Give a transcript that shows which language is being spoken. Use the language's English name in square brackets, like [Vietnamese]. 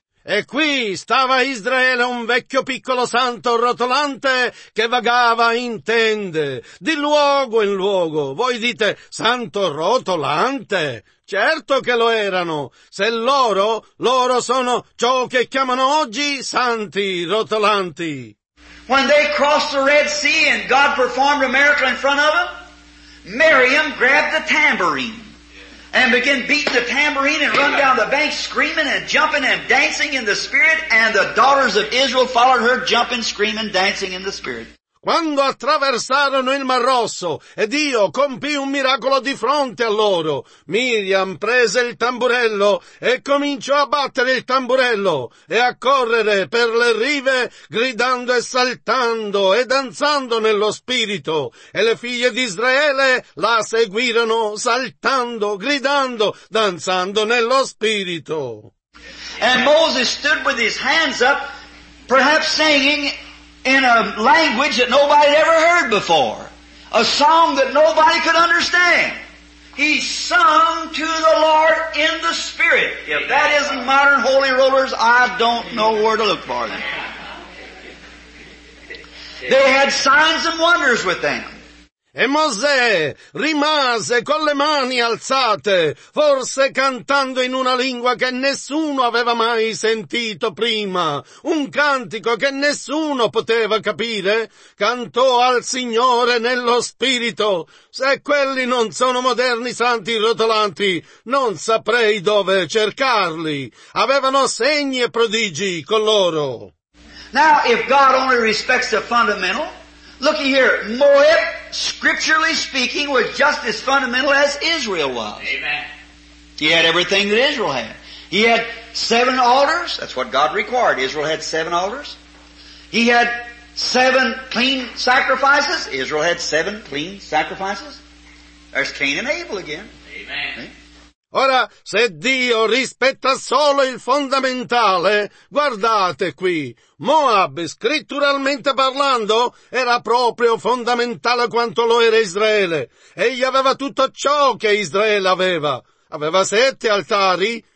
[Italian] E qui stava Israele, un vecchio piccolo santo rotolante che vagava in tende, di luogo in luogo. Voi dite, santo rotolante? Certo che lo erano. Se loro sono ciò che chiamano oggi santi rotolanti. [English] When they crossed the Red Sea and God performed a miracle in front of them, Miriam grabbed the tambourine and began beating the tambourine and run down the bank screaming and jumping and dancing in the Spirit, and the daughters of Israel followed her jumping, screaming, dancing in the Spirit. [Italian] Quando attraversarono il Mar Rosso e Dio compì un miracolo di fronte a loro, Miriam prese il tamburello e cominciò a battere il tamburello e a correre per le rive gridando e saltando e danzando nello spirito, e le figlie di Israele la seguirono saltando, gridando, danzando nello spirito. [English] And Moses stood with his hands up, perhaps singing in a language that nobody had ever heard before, a song that nobody could understand. He sung to the Lord in the Spirit. If that isn't modern holy rollers, I don't know where to look for them. They had signs and wonders with them. [Italian] E Mosè rimase con le mani alzate, forse cantando in una lingua che nessuno aveva mai sentito prima, un cantico che nessuno poteva capire, cantò al Signore nello spirito. Se quelli non sono moderni santi rotolanti, non saprei dove cercarli. Avevano segni e prodigi con loro. [English] Now, if God only respects the fundamental, looky here, Moab, scripturally speaking, was just as fundamental as Israel was. Amen. He had everything that Israel had. He had 7 altars. That's what God required. Israel had 7 altars. He had 7 clean sacrifices. Israel had 7 clean sacrifices. There's Cain and Abel again. Amen. Okay. [Italian] Ora, se Dio rispetta solo il fondamentale, guardate qui, Moab, scritturalmente parlando, era proprio fondamentale quanto lo era Israele. Egli aveva tutto ciò che Israele aveva. Aveva 7 altari.